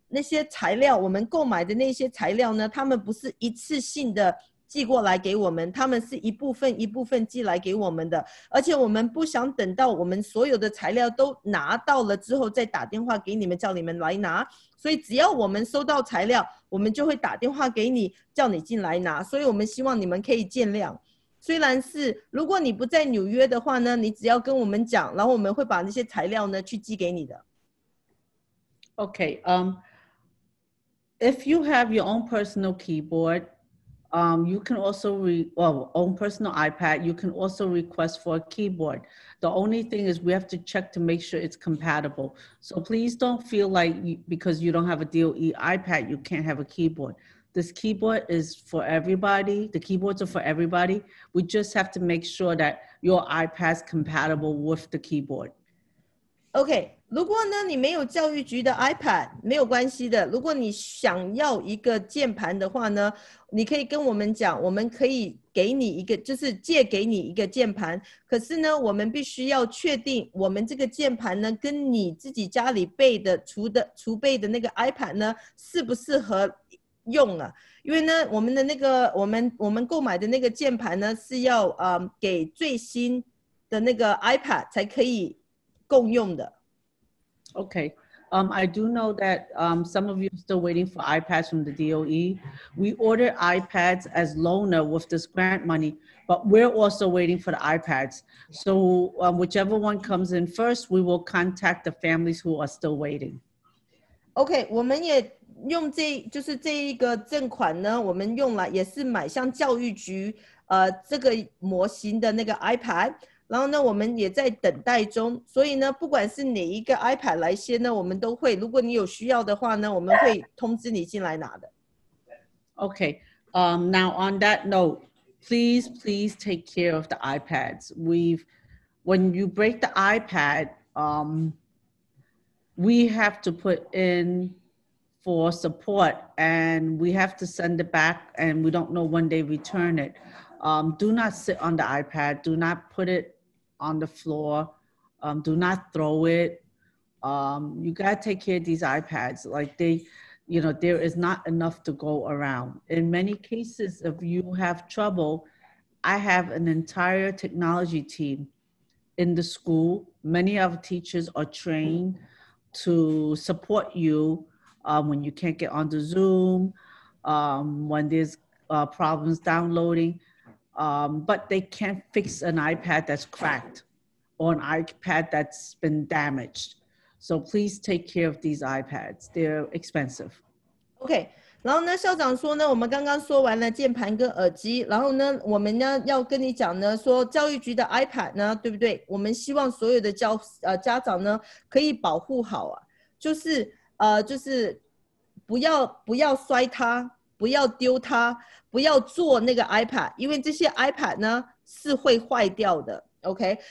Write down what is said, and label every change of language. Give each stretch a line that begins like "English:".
Chinese: 那些材料，我们购买的那些材料呢，他们不是一次性的寄过来给我们，他们是一部分一部分寄来给我们的，而且我们不想等到我们所有的材料都拿到了之后再打电话给你们叫你们来拿，所以只要我们收到材料，我们就会打电话给你叫你进来拿，所以我们希望你们可以见谅。虽然是如果你不在纽约的话呢，你只要跟我们讲，然后我们会把那些材料呢去寄给你的。
English: OK、if you have your own personal keyboard、you can also own personal iPad, you can also request for a keyboard. The only thing is we have to check to make sure it's compatible. So please don't feel like because you don't have a DOE iPad, you can't have a keyboard. This keyboard is for everybody. The keyboards are for everybody. We just have to make sure that your iPad is compatible with the keyboard.
Chinese: Okay, 如果呢你没有教育局的 iPad, 没有关系的。如果你想要一个键盘的话呢，你可以跟我们讲，我们可以给你一个，就是借给你一个键盘。可是呢，我们必须要确定我们这个键盘呢，跟你自己家里备的储备的那个 iPad 呢，适不适合。用了，因为呢，我们的那个我们购买的那个键盘呢，是要给最新的那个 iPad 才可以共用的。
English: Okay, I do know that some of you are still waiting for iPads from the DOE. We ordered iPads as loaner with this grant money, but we're also waiting for the iPads. So whichever one comes in first, we will contact the families who are still waiting.
Chinese: Okay, 我们也。用这就是这一个赠款呢，我们用来也是买像教育局这个模型的那个 iPad， 然后呢我们也在等待中，所以呢不管是哪一个 iPad 来先呢，我们都会，如果你有需要的话呢，我们会通知你进来拿的。
English: Okay, now on that note, please take care of the iPads. When you break the iPad, we have to put inFor support, and we have to send it back, and we don't know when they return it. Do not sit on the iPad. Do not put it on the floor. Do not throw it. You gotta take care of these iPads. Like they, you know, there is not enough to go around. In many cases, if you have trouble, I have an entire technology team in the school. Many of our teachers are trained to support you. When you can't get on the Zoom, when there's problems downloading, but they can't fix an iPad that's cracked or an iPad that's been damaged. So please take care of these iPads. They're expensive. Okay.
Chinese: 然后呢，校长说呢，我们刚刚说完了键盘跟耳机，然后呢，我们呢要跟你讲呢，说教育局的 iPad 呢，对不对？我们希望所有的家长呢可以保护好啊，就是。就是不要摔它，不要丢它，不要坐那个 iPad， 因为这些 iPad 呢是会坏掉的 ，OK？